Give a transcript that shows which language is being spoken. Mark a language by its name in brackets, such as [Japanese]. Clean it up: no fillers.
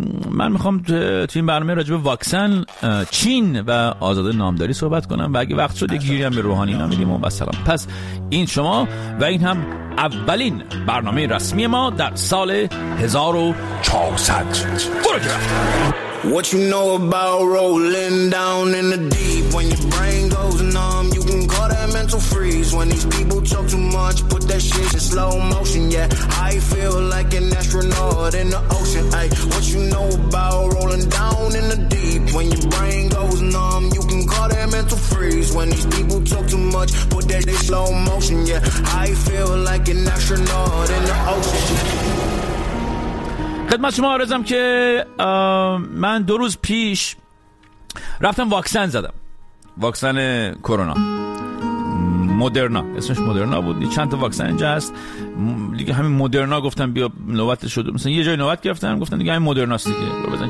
[Persian] من میخوام تو این برنامه راجب واکسن، چین و آزاد نامداری صحبت کنم و اگه وقت شد یک گیری هم به روحانی نامیدیم و سلام. پس این شما و این هم اولین برنامه رسمی ما در سال 1400. برو گرفت. [English] What you know about rolling down in the deep when your brain goes numb, you can call that mental freeze. When these people talk too much, put that shit in slow motion. Yeah, I feel like an astronaut in the ocean. Ay, what you know about rolling down in the deep when your brain goes numb, you can call that mental freeze. When these people talk too much, put that in slow motion. Yeah, I feel like an astronaut in the ocean. [Persian] خدمت شما عرضم که من دو روز پیش رفتم واکسن زدم، واکسن کرونا، مدرنا، اسمش مدرنا بود. چند تا واکسن اینجا هست دیگه، همین مدرنا گفتم بیا نوبت شد، مثلا یه جای نوبت گرفتم گفتن دیگه همین مدرنا است دیگه، رو بزن.